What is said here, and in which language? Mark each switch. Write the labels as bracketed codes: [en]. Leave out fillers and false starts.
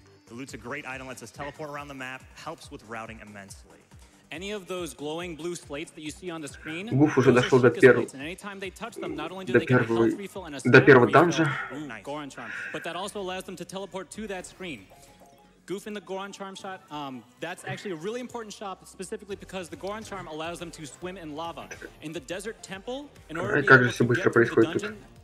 [en] The loot's a great item, lets us teleport around the map, helps with routing immensely. Any of those glowing blue slates that you see on the screen, [ru] Гуф уже дошел до первого данжа. [en] But that also allows them to teleport to that screen. Goof in the Goron Charm shot, that's actually a really important shot, specifically because the Goron Charm allows them to swim in lava. In the desert temple, in order to get to the dungeon,